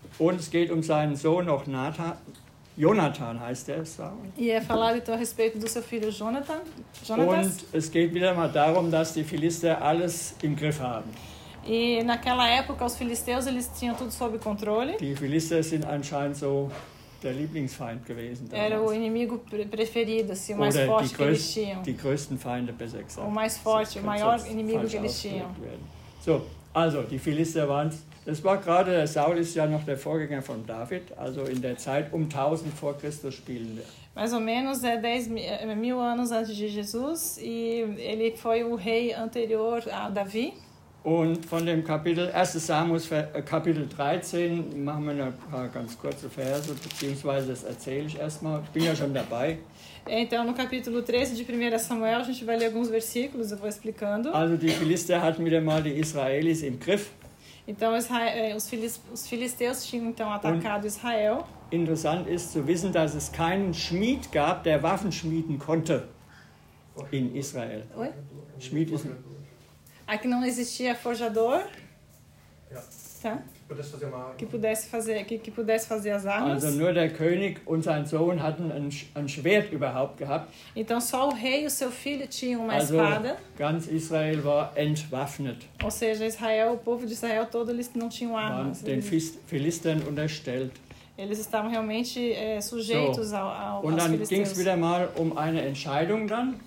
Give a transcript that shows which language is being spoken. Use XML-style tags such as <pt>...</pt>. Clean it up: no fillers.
<de>Und es geht um seinen Sohn noch Nathan. Jonathan heißt er, Saul.</de> <pt>E falado então a respeito do seu filho Jonathan.</pt> <de>Und es geht wieder mal darum, dass die Philister alles im Griff haben.</de> <pt>E naquela época os filisteus eles tinham tudo sob controle.</pt> <de>Die Philister sind anscheinend so der Lieblingsfeind gewesen. Damals.</de> <pt>Era o inimigo preferido, assim, o mais</pt> <de>Oder</de> <pt>forte que eles tinham.</pt> <de>Die größten Feinde, besser gesagt.</de> <pt>O mais forte, so, o maior inimigo que eles tinham.</pt> <de>So, also die Philister waren. Es war gerade, der Saul ist ja noch der Vorgänger von David, also in der Zeit um 1000 vor Christus spielen wir.</de> <pt>Mais ou menos 10.000 anos antes de Jesus e ele foi o rei anterior a Davi.</pt> <de>Und von dem Kapitel 1. Samuel Kapitel 13 machen wir ein paar ganz kurze Verse, beziehungsweise das erzähle ich erstmal, ich bin ja schon dabei.</de> <pt>Então no capítulo 13 de 1 Samuel a gente vai ler alguns versículos, eu vou explicando.</pt> <de>Also die Philister hatten wieder mal die Israelis im Griff.</de> <pt>Então os filisteus tinham então atacado Israel.</pt> <de>interessant ist zu wissen, dass es keinen Schmied gab, der Waffen schmieden konnte in Israel.</de> <pt>Oi?</pt> <de>Schmied ist...</de> <pt>Aqui não existia forjador. Tá? Que pudesse fazer as armas.</pt> <de>Also nur der König und sein Sohn hatten ein Schwert überhaupt gehabt.</de> <pt>Então só o rei e o seu filho tinham uma espada.</pt> <de>Ganz Israel war entwaffnet.</de> <pt>Ou seja, Israel, o povo de Israel todo, eles não tinham armas.</pt> <de>Waren den Philistern unterstellt.</de> <pt>Eles estavam realmente sujeitos so. aos Philisteus.</pt> <de>Und dann ging es wieder mal um eine Entscheidung dann.</de>